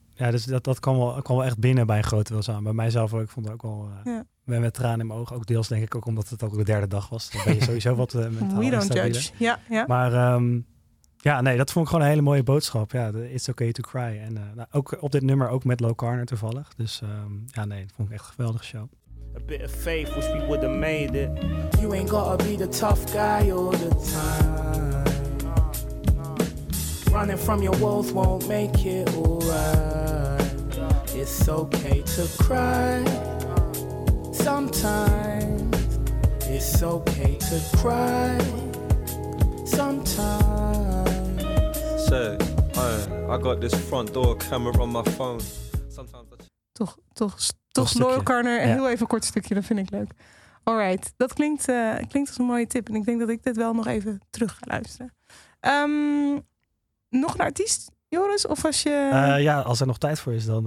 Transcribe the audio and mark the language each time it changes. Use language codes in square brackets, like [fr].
[nl] dus dat kwam wel echt binnen bij een grote wil samen. Bij mijzelf ook, ik vond het ook wel... ben met tranen in mijn ogen. Ook deels denk ik ook omdat het ook de derde dag was. Dan ben je sowieso wat mentaal [en] we don't judge. Ja, ja. [nl] Maar dat vond ik gewoon een hele mooie boodschap. Ja, [en] it's okay to cry. [nl] En ook op dit nummer ook met Loyal Carner toevallig. Dus dat vond ik echt een geweldige show. [en] A bit of faith, wish we would have made it. You ain't gotta be the tough guy all the time. Running from your walls won't make it alright. It's okay to cry sometimes. It's okay to cry sometimes. So, I got this front door camera on my phone. Sometimes I... [nl] Toch Loyal Carner en heel even een kort stukje, dat vind ik leuk. Alright, dat klinkt als een mooie tip. En ik denk dat ik dit wel nog even terug ga luisteren. Nog een artiest, Joris? Of als je... Als er nog tijd voor is, dan